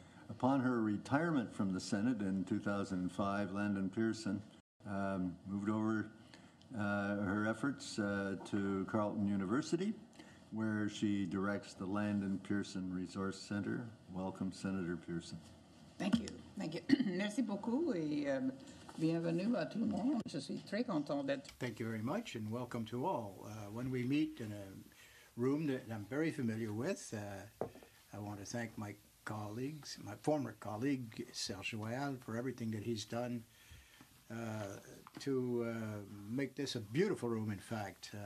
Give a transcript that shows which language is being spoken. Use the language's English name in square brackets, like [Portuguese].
[English] Upon her retirement from the Senate in 2005, Landon Pearson moved over her efforts to Carleton University, where she directs the Landon Pearson Resource Center. Welcome, Senator Pearson. Thank you. [French] Merci beaucoup et bienvenue à tout le monde. Je suis très content d'être. [English] Thank you very much and welcome to all. When we meet in a room that I'm very familiar with, I want to thank my colleagues, my former colleague Serge Royal, for everything that he's done to make this a beautiful room, in fact.